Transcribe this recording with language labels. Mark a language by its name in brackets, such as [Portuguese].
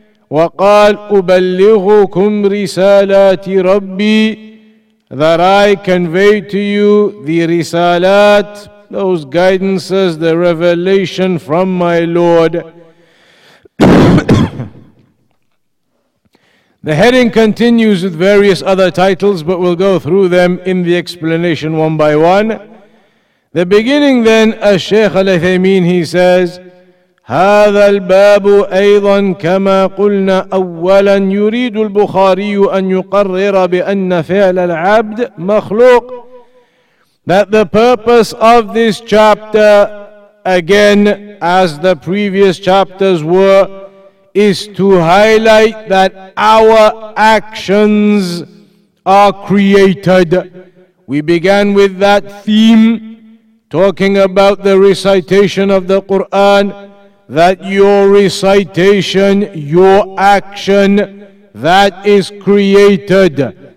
[Arabic] وقال أبلغكم رسالات ربي, [English] that I convey to you the رسالات, those guidances, the revelation from my Lord. The heading continues with various other titles, but we'll go through them in the explanation one by one. The beginning then, as Shaykh Al-Uthaymeen, he says, [Arabic] هذا الباب أيضا كما قلنا أولا يريد البخاري أن يقرر بأن فعل العبد مخلوق. [English] That the purpose of this chapter, again as the previous chapters were, is to highlight that our actions are created. We began with that theme, talking about the recitation of the Quran, that your recitation, your action, that is created.